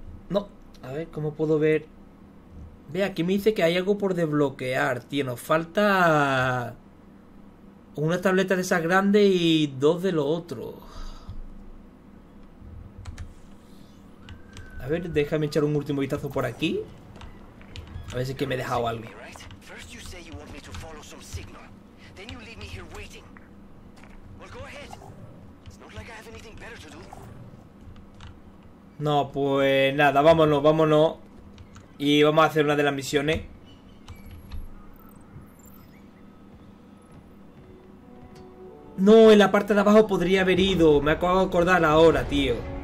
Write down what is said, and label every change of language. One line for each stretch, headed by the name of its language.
Spanish: No. A ver, ¿cómo puedo ver? Ve, aquí me dice que hay algo por desbloquear, tío. Nos falta una tableta de esas grandes y 2 de lo otro. A ver, déjame echar un último vistazo por aquí. A ver si es que me he dejado algo.
English: First you say you want me to follow some signal. Then you leave me here waiting. Well, go ahead. It's not like I have anything better to do.
Spanish: No, pues nada, vámonos, vámonos. Y vamos a hacer una de las misiones. No, en la parte de abajo podría haber ido. Me acabo de acordar ahora, tío.